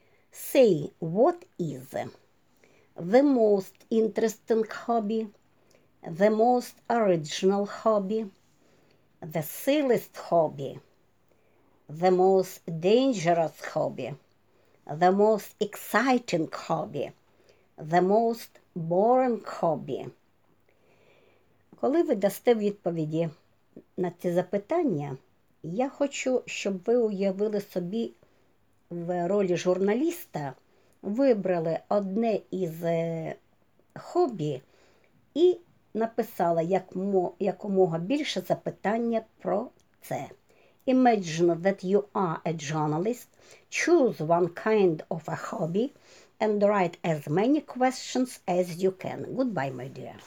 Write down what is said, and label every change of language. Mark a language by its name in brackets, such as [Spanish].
[English] Say, what is the most interesting hobby, the most original hobby, the silliest hobby, the most dangerous hobby, the most exciting hobby, the most boring hobby? [Ukrainian] Коли ви дасте відповіді на ці запитання, я хочу, щоб ви уявили собі в ролі журналіста, вибрали одне із хобі і написали якомога більше запитання про це. [English] Imagine that you are a journalist, choose one kind of a hobby and write as many questions as you can. Goodbye, my dear.